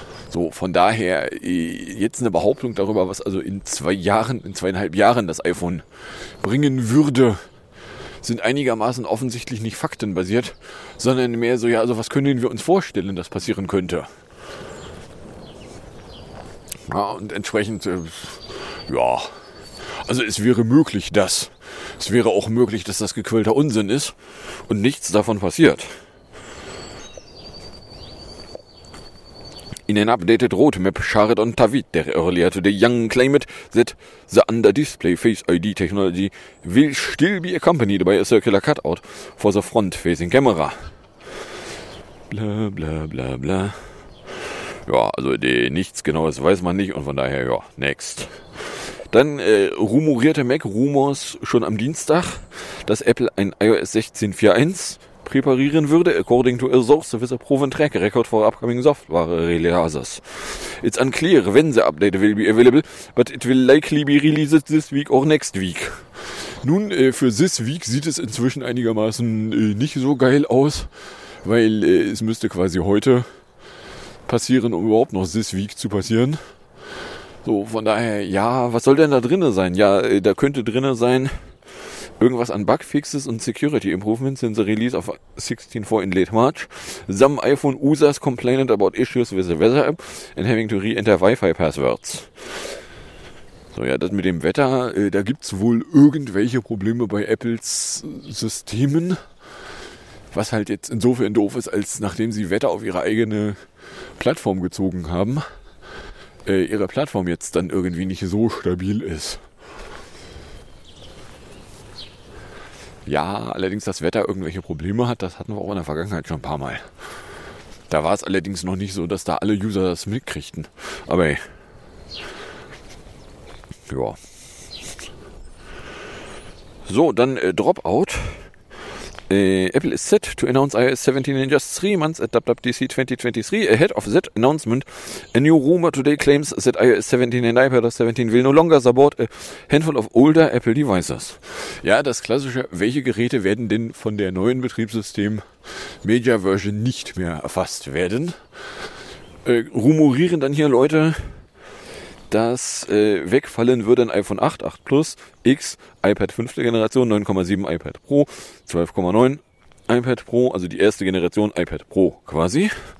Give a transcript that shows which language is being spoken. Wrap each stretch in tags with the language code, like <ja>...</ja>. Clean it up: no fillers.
<de>So, von daher jetzt eine Behauptung darüber, was also in zweieinhalb Jahren das iPhone bringen würde, sind einigermaßen offensichtlich nicht faktenbasiert, sondern mehr so, ja, also was können wir uns vorstellen, dass passieren könnte. Ja, und entsprechend, ja, also es wäre möglich, dass. Es wäre auch möglich, dass das gequälter Unsinn ist und nichts davon passiert.</de> <en>In an updated roadmap, Shared on Tavit, der earlier to the young climate, that the under-display Face ID technology will still be accompanied by a circular cutout for the front-facing camera. Bla bla bla bla.</en> <de>Ja, also nichts Genaues weiß man nicht und von daher, ja,</de> <en>next.</en> <de>Dann rumorierte Mac Rumors schon am Dienstag, dass Apple ein iOS 16.4.1 präparieren würde,</de> <en>according to a source with a proven track record for upcoming software releases. It's unclear when the update will be available, but it will likely be released this week or next week.</en> <de>Nun, für</de> <en>this week</en> <de>sieht es inzwischen einigermaßen nicht so geil aus, weil es müsste quasi heute passieren, um überhaupt noch this week zu passieren. So, von daher, ja, was soll denn da drinnen sein? Ja, da könnte drinnen sein irgendwas an Bugfixes und Security Improvements</de> <en>since the release of 16.4 in late March. Some iPhone users complained about issues with the weather app and having to re-enter Wi-Fi passwords.</en> <de>So, ja, das mit dem Wetter, da gibt's wohl irgendwelche Probleme bei Apples Systemen. Was halt jetzt insofern doof ist, als nachdem sie Wetter auf ihre eigene Plattform gezogen haben, ihre Plattform jetzt dann irgendwie nicht so stabil ist. Ja, allerdings, dass Wetter irgendwelche Probleme hat, das hatten wir auch in der Vergangenheit schon ein paar Mal. Da war es allerdings noch nicht so, dass da alle User das mitkriegten. Aber ja.</de> <en>So, dann Dropout. Apple is set to announce iOS 17 in just 3 months at WWDC 2023. Ahead of that announcement, a new rumor today claims that iOS 17 and iPadOS 17 will no longer support a handful of older Apple devices.</en> <de>Ja, das klassische, welche Geräte werden denn von der neuen Betriebssystem Major Version nicht mehr erfasst werden? Rumorieren dann hier Leute, dass wegfallen würde ein iPhone 8, 8 Plus, X, iPad 5. Generation, 9,7 iPad Pro, 12,9 iPad Pro, also die erste Generation iPad Pro quasi.</de>